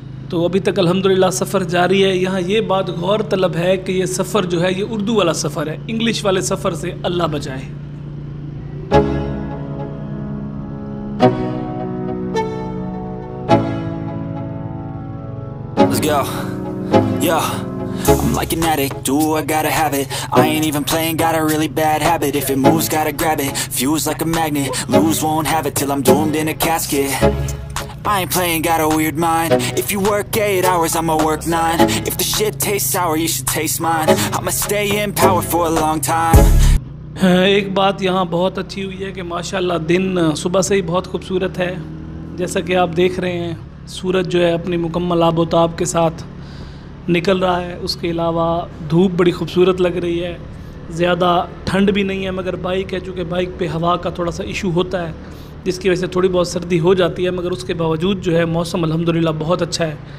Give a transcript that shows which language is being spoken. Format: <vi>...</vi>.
<ur>تو ابھی تک الحمدللہ سفر جاری ہے۔ یہاں یہ بات غور طلب ہے کہ یہ سفر جو ہے یہ اردو والا سفر ہے، انگلش والے سفر سے اللہ بچائے۔</ur> <en>Let's go. Yeah. I'm like an addict, do I gotta have it? I ain't even playing, got a really bad habit. If it moves, gotta grab it. Fuse like a magnet, lose, won't have it till I'm doomed in a casket. I ain't playing, got a weird mind. If you work 8 hours, I'ma work 9. If the shit tastes sour, you should taste mine. I'ma stay in power for a long time.</en> <ur>ایک بات یہاں بہت اچھی ہوئی ہے کہ ماشاءاللہ دن صبح سے ہی بہت خوبصورت ہے، جیسا کہ آپ دیکھ رہے ہیں سورج جو ہے اپنی مکمل آب و تاب کے ساتھ نکل رہا ہے۔ اس کے علاوہ دھوپ بڑی خوبصورت لگ رہی ہے، زیادہ ٹھنڈ بھی نہیں ہے، مگر بائک ہے چونکہ بائک پہ ہوا کا تھوڑا سا ایشو ہوتا ہے جس کی وجہ سے تھوڑی بہت سردی ہو جاتی ہے، مگر اس کے باوجود جو ہے موسم الحمدللہ بہت اچھا ہے۔</ur>